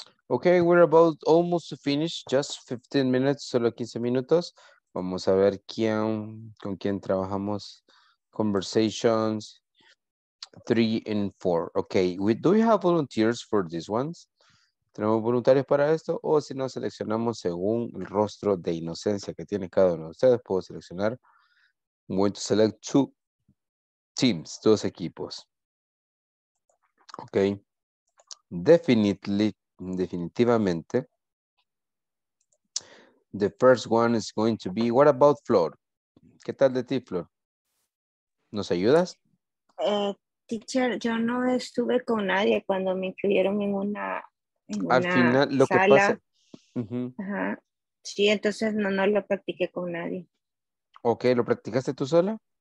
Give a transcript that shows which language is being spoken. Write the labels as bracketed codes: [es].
[en] Okay, we're about almost to finish, just 15 minutes, [es] solo 15 minutos. Vamos a ver quién, con quién trabajamos. [en] Conversations 3 and 4. Okay, do we have volunteers for these ones? [es] ¿Tenemos voluntarios para esto? O si no, seleccionamos según el rostro de inocencia que tiene cada uno de ustedes. Puedo seleccionar. [en] I'm going to select two teams, [es] dos equipos. [en] Okay. [es] Definitivamente. [en] The first one is going to be, what about Flor? [es] ¿Qué tal de ti, Flor? ¿Nos ayudas? Teacher, yo no estuve con nadie cuando me incluyeron en una... Al final, lo sala. Que pasa. Uh-huh. Ajá. Sí, entonces no lo practiqué con nadie. Ok, ¿lo practicaste tú sola?